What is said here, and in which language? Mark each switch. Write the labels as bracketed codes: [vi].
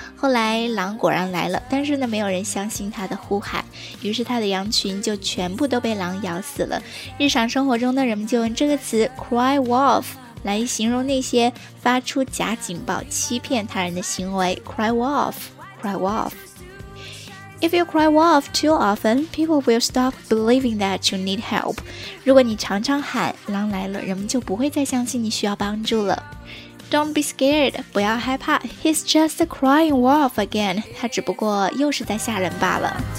[zh] 后来狼果然来了，但是呢没有人相信他的呼喊，于是他的羊群就全部都被狼咬死了。日常生活中呢，人们就用这个词 cry wolf 来形容那些发出假警报欺骗他人的行为。 cry wolf cry wolf。 [en] If you cry wolf too often, people will stop believing that you need help. [zh] 如果你常常喊狼来了，人们就不会再相信你需要帮助了。 [en] Don't be scared, [zh] 不要害怕。 [en] He's just a crying wolf again. [zh] 他只不过又是在吓人罢了。